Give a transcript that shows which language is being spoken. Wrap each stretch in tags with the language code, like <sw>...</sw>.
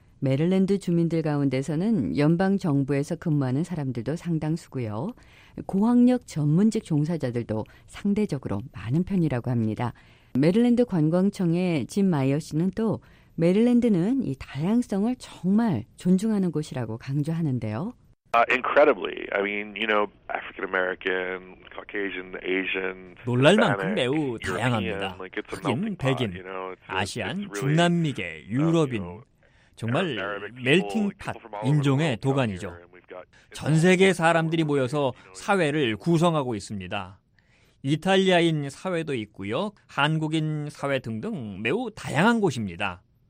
<ko>메릴랜드 주민들 가운데서는 연방정부에서 근무하는 사람들도 상당수고요. 고학력 전문직 종사자들도 상대적으로 많은 편이라고 합니다. 메릴랜드 관광청의 짐 마이어 씨는 또 메릴랜드는 이 다양성을 정말 존중하는 곳이라고 강조하는데요.</ko> <en>Incredibly. I mean, you know, African American, Caucasian, Asian.</en> <ko>놀랄 만큼 매우 다양합니다. 흑인, 백인, 아시안, 중남미계, 유럽인. 정말 멜팅팟, 인종의 도가니죠. 전 세계 사람들이 모여서 사회를 구성하고 있습니다. 이탈리아인 사회도 있고요. 한국인 사회 등등 매우 다양한 곳입니다.</ko>